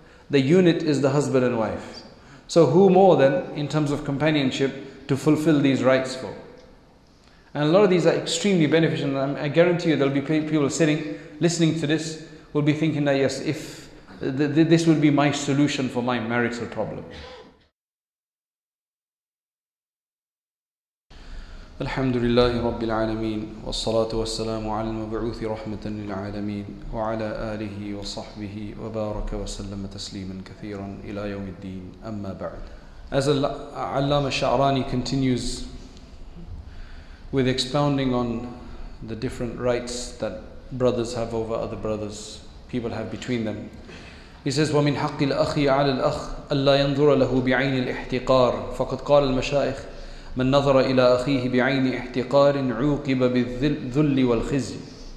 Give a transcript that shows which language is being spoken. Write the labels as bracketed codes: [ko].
[en] The unit is the husband and wife. So who more than, in terms of companionship, to fulfill these rights for? And a lot of these are extremely beneficial. And I guarantee you there'll be people sitting, listening to this, will be thinking that yes, if this will be my solution for my marital problem. [ar] الحمد لله رب العالمين والصلاة والسلام على المبعوث رحمة للعالمين وعلى آله وصحبه وبارك وسلم تسليما كثيرا إلى يوم الدين أما بعد. [en] As Allama Sha'rani continues with expounding on the different rights that brothers have over other brothers, people have between them, he says, [ar] وَمِنْ حَقِّ الْأَخِي عَلَى الْأَخِ أَلَّا يَنْظُرَ لَهُ بِعَيْنِ الْإِحْتِقَارِ فَقَدْ قَالَ الْمَشَائِخ مَنْ نَظَرَ إِلَىٰ أَخِيهِ بِعَيْنِ إِحْتِقَارٍ عُوقِبَ بِالذُّلِّ وَالْخِزِي.